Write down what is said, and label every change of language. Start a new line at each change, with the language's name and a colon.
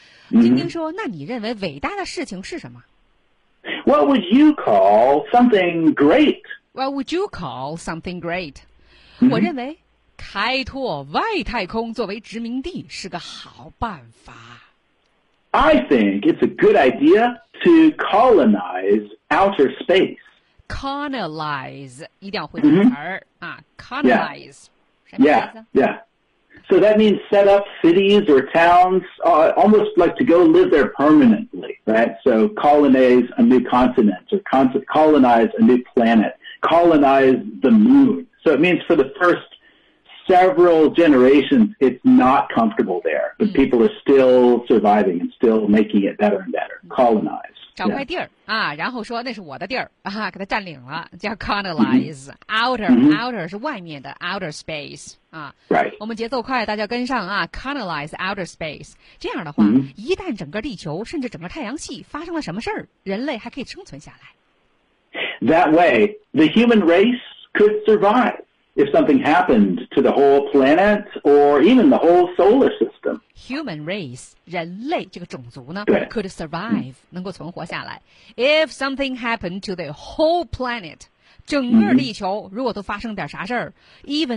Chinese: 晶晶说：“那你认为伟大的事情是什么
English: ？”What would you call something great? What would you call something great?
Chinese: 我认为开拓外太空作为殖民地是个好办法。
English: I think it's a good idea to colonize outer space.
Chinese: Colonize, 一定要会念词儿、colonize.
English: Yeah, yeah. So that means set up cities or towns,、almost like to go live there permanently, right? So colonize a new continent or colonize a new planet, colonize the moon.So it means for the first several generations, it's not comfortable there. But people are still surviving and still making it better and better. Colonize.
Chinese: 找块地儿、yeah. 啊，然后说那是我的地儿啊，给他占领了，叫 colonize、mm-hmm. outer、mm-hmm. outer 是外面的 outer space 啊。
English: Right.
Chinese: 我们节奏快，大家跟上啊 ，
English: colonize outer space。
Chinese: 这样的话， mm-hmm. 一旦整个地球甚至整个太阳系发生了什么事儿，人类还可以生存下来。
English: That way, the human race could survive if something happened to the whole planet or even the whole solar system. Human race,
Chinese: 人类这个种族呢
English: could survive,、
Chinese: mm-hmm. 能够存活下来。
English: If something happened to the whole planet,
Chinese: 整个地球如果都发生点啥事儿、
English: mm-hmm.